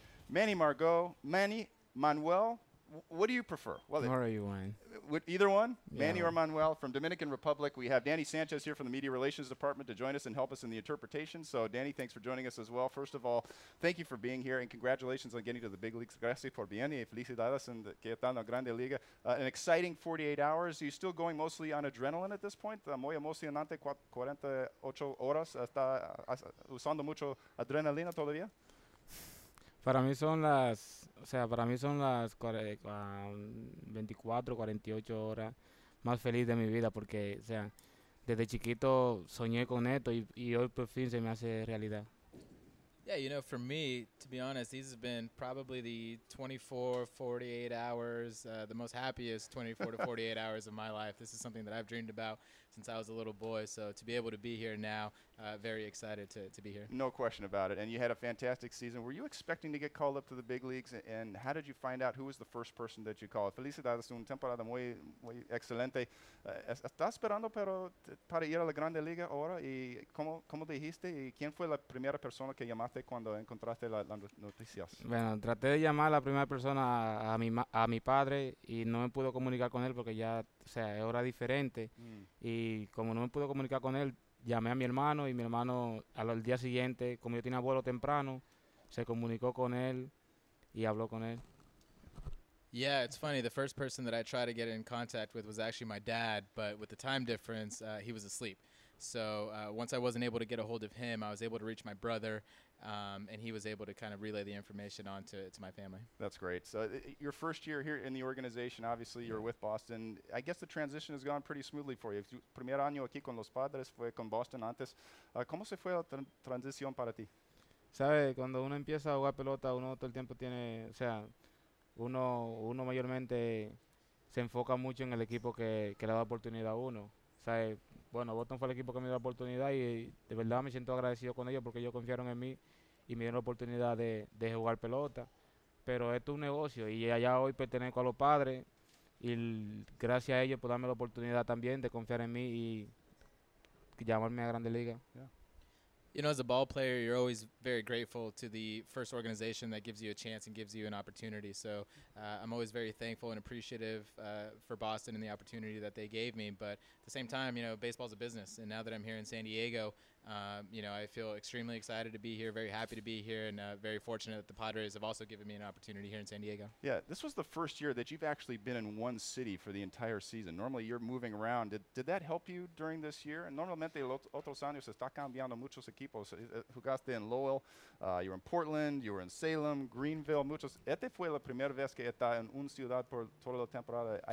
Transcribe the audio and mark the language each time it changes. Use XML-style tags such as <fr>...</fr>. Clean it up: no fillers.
<en>Manuel, what do you prefer? Well, how are you, Wayne? Either one, yeah. Manny or Manuel from Dominican Republic. We have Danny Sanchez here from the Media Relations Department to join us and help us in the interpretation. So, Danny, thanks for joining us as well. First of all, thank you for being here, and congratulations on getting to the big leagues.</en> <es>Gracias por bien y felicidades en la que están la grande liga.</es> <en>An exciting 48 hours. Are you still going mostly on adrenaline at this point?</en> <es>Muy emocionante, 48 horas. ¿Está usando mucho adrenalina todavía? Para mí son las, para mí son las 24, 48 horas más feliz de mi vida porque, desde chiquito soñé con esto y hoy por fin se me hace realidad.</es> <en>Yeah, you know, for me, to be honest, these have been probably the 24, 48 hours, the most happiest 24 to 48 hours of my life. This is something that I've dreamed about since I was a little boy. So to be able to be here now, very excited to be here. No question about it. And you had a fantastic season. Were you expecting to get called up to the big leagues? And how did you find out who was the first person that you called?</en> <es>Felicidades, una temporada muy, muy excelente. ¿Estás esperando para ir a la grande liga ahora? ¿Y cómo dijiste? ¿Y quién fue la primera persona que llamaste? Cuando encontraste las noticias. Bueno, traté de llamar a la primera persona a mi padre y no me pudo comunicar con él porque ya, es hora diferente. Y como no me pudo comunicar con él, llamé a mi hermano y mi hermano al día siguiente, como yo tenía vuelo temprano, se comunicó con él y habló con él.</es> <en>Yeah, it's funny. The first person that I tried to get in contact with was actually my dad, but with the time difference, he was asleep. So once I wasn't able to get a hold of him, I was able to reach my brother, and he was able to kind of relay the information on to my family. That's great. So your first year here in the organization, obviously you're with Boston. I guess the transition has gone pretty smoothly for you.</en> <es>Primer año aquí con los Padres fue con Boston antes. ¿Cómo se fue la transición para ti? Sabe, cuando uno empieza a jugar pelota, uno todo el tiempo tiene, uno mayormente se enfoca mucho en el equipo que le da oportunidad a uno. Bueno, Boston fue el equipo que me dio la oportunidad y de verdad me siento agradecido con ellos porque ellos confiaron en mí y me dieron la oportunidad de jugar pelota. Pero esto es un negocio y allá hoy pertenezco a los Padres y gracias a ellos por darme la oportunidad también de confiar en mí y llamarme a Grandes Ligas.</es> <en>Yeah. You know, as a ball player, you're always very grateful to the first organization that gives you a chance and gives you an opportunity. So I'm always very thankful and appreciative for Boston and the opportunity that they gave me. But at the same time, you know, baseball's a business. And now that I'm here in San Diego, you know, I feel extremely excited to be here, very happy to be here, and very fortunate that the Padres have also given me an opportunity here in San Diego. Yeah, this was the first year that you've actually been in one city for the entire season. Normally, you're moving around. Did that help you during this year? And</en> <es>normalmente, otros años está cambiando muchos equipos. Jugaste en</es> <en>Lowell, you were in Portland, you were in Salem, Greenville,</en> <es>muchos. Este fue la primera vez que está en una ciudad por toda la temporada.</es>